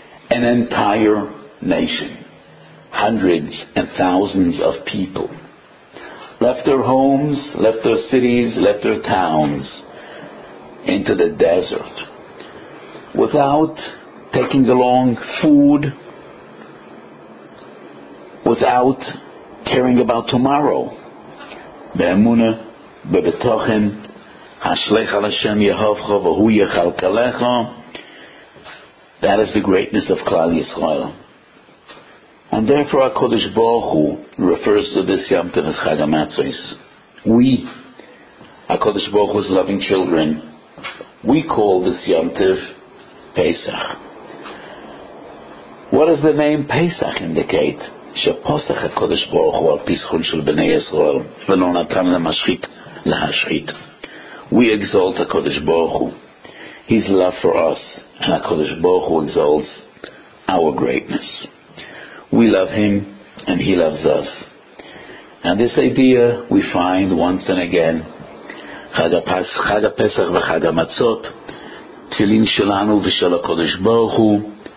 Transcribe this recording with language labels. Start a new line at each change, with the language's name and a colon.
English: An entire nation, hundreds and thousands of people, left their homes, left their cities, left their towns into the desert, without taking along food, without caring about tomorrow. Be'emunah,
Hebrew: בבטוחם, השלך על השם יהובך, והוא יחלקלך.
English: That is the greatness of Klal Yisrael. And therefore HaKadosh Baruch Hu refers to this Yom Tov as Chag HaMatzos. We, HaKadosh Baruch Hu's loving children, we call this Yom Tov Pesach. What does the name Pesach indicate?
Hebrew: שפוסח הקודש ברוך הוא על פסחון של בני ישראל ולא נתן למשחית להשחית.
English: We exalt הקודש ברוך הוא, his love for us, and הקודש ברוך הוא exalts our greatness. We love him and he loves us. And this idea we find once and again,
Hebrew: חג הפסח וחג המצות, תפילין שלנו ושל הקודש ברוך הוא.